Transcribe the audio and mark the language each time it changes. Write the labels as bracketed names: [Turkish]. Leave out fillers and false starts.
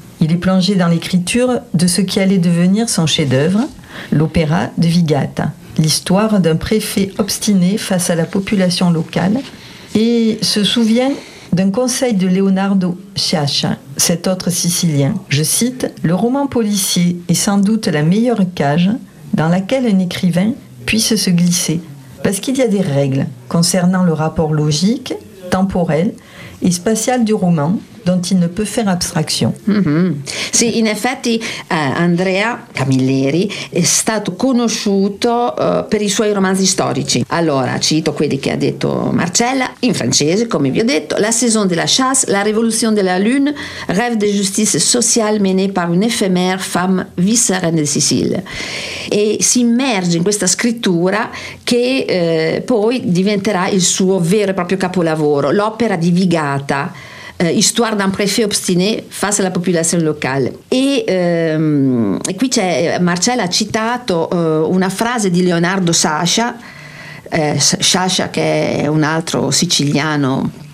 [French] Il est plongé dans l'écriture de ce qui allait devenir son chef-d'œuvre, l'opéra de Vigata, l'histoire d'un préfet obstiné face à la population locale, et se souvient d'un conseil de Leonardo Sciascia, cet autre Sicilien. Je cite « Le roman policier est sans doute la meilleure cage dans laquelle un écrivain puisse se glisser, parce qu'il y a des règles concernant le rapport logique, temporel et spatial du roman dont il ne peut faire abstraction. Mm-hmm. [Italian] Sì, in effetti Andrea Camilleri è stato conosciuto per i suoi romanzi storici. Allora, cito quelli che ha detto Marcella, in francese, come vi ho detto, [French] La saison de la chasse, La révolution de la lune, Rêve de justice sociale menée par une éphémère femme vicereine de Sicile. [Italian] E si immerge in questa scrittura che poi diventerà il suo vero e proprio capolavoro, l'opera di Vigata, [French] Histoire d'un préfet obstiné face [Italian] alla popolazione locale. E qui c'è, Marcella ha citato una frase di Leonardo Sciascia, che è un altro siciliano